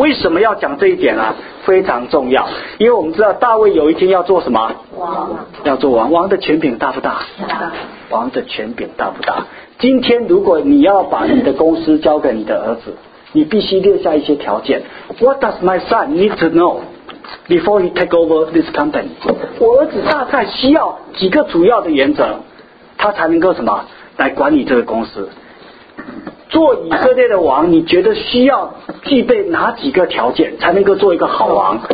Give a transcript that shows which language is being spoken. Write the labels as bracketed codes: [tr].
[zh] 为什么要讲这一点啊？非常重要，因为我们知道大卫有一天要做什么？王，要做王。王的权柄大不大？大。王的权柄大不大？今天如果你要把你的公司交给你的儿子，你必须列下一些条件。 [en] What does my son need to know before he take over this company？ [zh] 我儿子大概需要几个主要的原则，他才能够什么来管理这个公司？做以色列的王，你觉得需要具备哪几个条件才能够做一个好王？